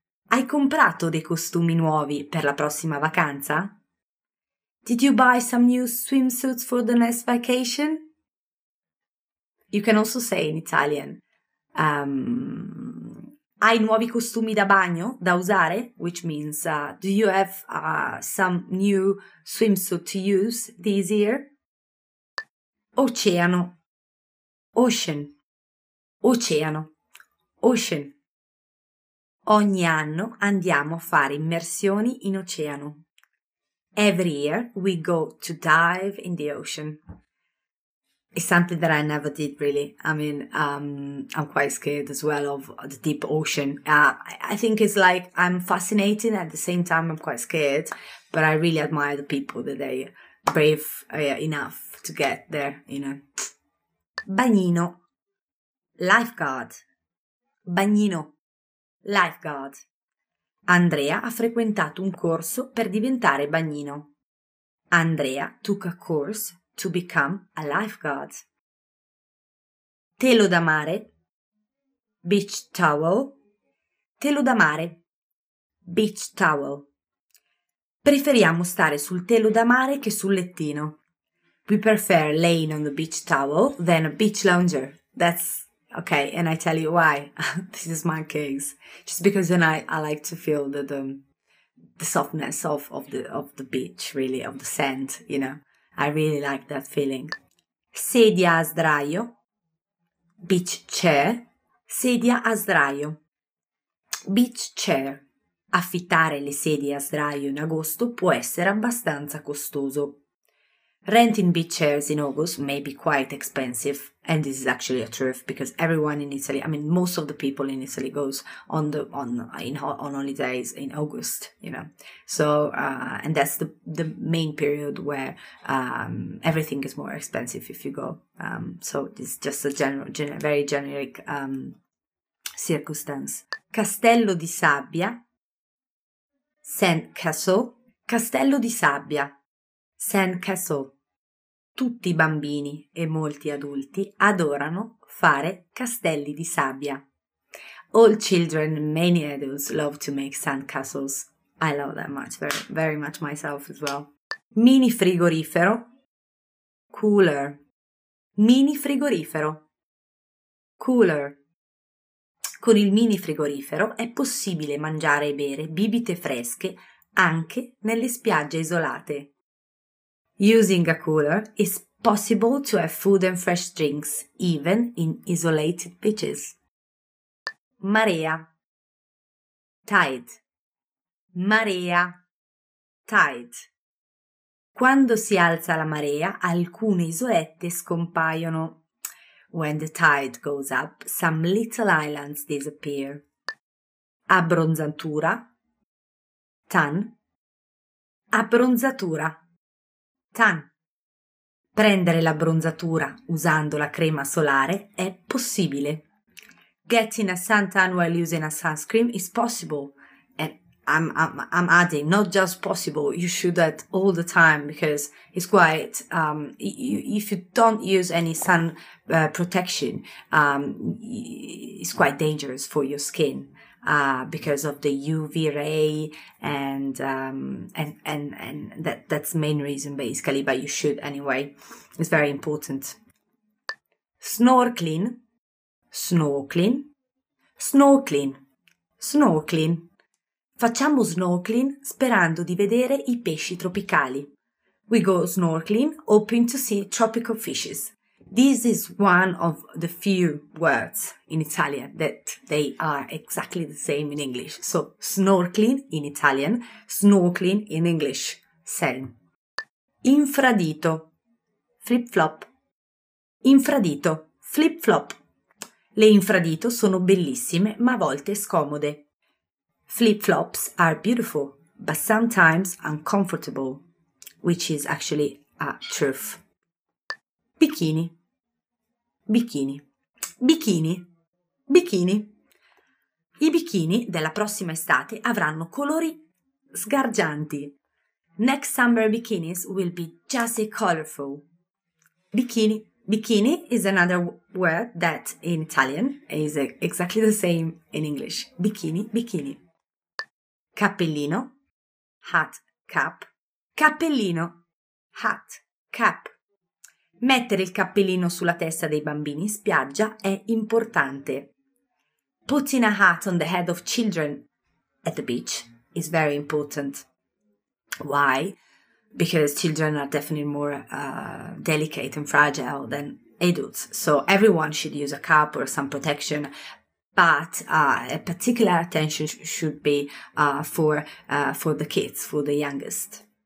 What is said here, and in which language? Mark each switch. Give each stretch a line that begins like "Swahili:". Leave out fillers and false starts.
Italian: Hai comprato dei costumi nuovi per la prossima vacanza?
English: Did you buy some new swimsuits for the next vacation? You can also say in Italian,
Italian: hai nuovi costumi da bagno da usare?
English: Which means, do you have some new swimsuit to use this year?
Italian: Oceano.
English: Ocean.
Italian: Oceano. Ocean. Ogni anno andiamo a fare immersioni in oceano.
English: Every year we go to dive in the ocean. It's something that I never did, really. I mean, I'm quite scared as well of the deep ocean. I think it's like I'm fascinated at the same time I'm quite scared, but I really admire the people that they brave enough to get there, you know.
Italian: Bagnino,
English: lifeguard.
Italian: Bagnino, lifeguard. Andrea ha frequentato un corso per diventare bagnino.
English: Andrea took a course to become a lifeguard.
Italian: Telo da mare,
English: beach towel.
Italian: Telo da mare,
English: beach towel.
Italian: Preferiamo stare sul telo da mare che sul lettino.
English: We prefer laying on the beach towel than a beach lounger. That's okay, and I tell you why. This is my case. Just because then I like to feel the softness of the beach, really, of the sand, you know. I really like that feeling.
Italian: Sedia a sdraio.
English: Beach chair.
Italian: Sedia a sdraio.
English: Beach chair.
Italian: Affittare le sedie a sdraio in agosto può essere abbastanza costoso.
English: Renting beach chairs in August may be quite expensive, and this is actually a truth because everyone in Italy, I mean most of the people in Italy goes on holidays in August, you know. So and that's the main period where everything is more expensive if you go. So it's just a very generic circumstance.
Italian: Castello di sabbia.
English: Sand castle.
Italian: Castello di sabbia.
English: Sand castle.
Italian: Tutti i bambini e molti adulti adorano fare castelli di sabbia.
English: All children and many adults love to make sandcastles. I love that much, very, very much myself as well.
Italian: Mini frigorifero.
English: Cooler.
Italian: Mini frigorifero.
English: Cooler.
Italian: Con il mini frigorifero è possibile mangiare e bere bibite fresche anche nelle spiagge isolate.
English: Using a cooler, it's possible to have food and fresh drinks, even in isolated beaches.
Italian: Marea.
English: Tide.
Italian: Marea. Tide. Quando si alza la marea, alcune isolette scompaiono.
English: When the tide goes up, some little islands disappear.
Italian: Abbronzatura.
English: Tan.
Italian: Abbronzatura. Tan. Prendere l'abbronzatura usando la crema solare è possibile.
English: Getting a suntan while using a sunscreen is possible. And I'm adding, not just possible, you should do that all the time because it's quite, if you don't use any sun protection, it's quite dangerous for your skin. Because of the UV ray and that's the main reason basically, but you should anyway. It's very important. Snorkeling, snorkeling, snorkeling, snorkeling.
Italian: Facciamo snorkeling sperando di vedere i pesci tropicali.
English: We go snorkeling hoping to see tropical fishes. This is one of the few words in Italian that they are exactly the same in English. So, snorkeling in Italian, snorkeling in English, same.
Italian: Infradito,
English: flip-flop.
Italian: Infradito, flip-flop. Le infradito sono bellissime, ma a volte scomode.
English: Flip-flops are beautiful, but sometimes uncomfortable, which is actually a truth. Bikini. Bikini. Bikini. Bikini.
Italian: I bikini della prossima estate avranno colori sgargianti.
English: Next summer bikinis will be just as colorful. Bikini. Bikini is another word that in Italian is exactly the same in English. Bikini. Bikini.
Italian: Cappellino.
English: Hat. Cap. Cappellino. Hat. Cap.
Italian: Mettere il cappellino sulla testa dei bambini in spiaggia è importante.
English: Putting a hat on the head of children at the beach is very important. Why? Because children are definitely more delicate and fragile than adults. So everyone should use a cap or some protection, But particular attention should be for the kids, for the youngest.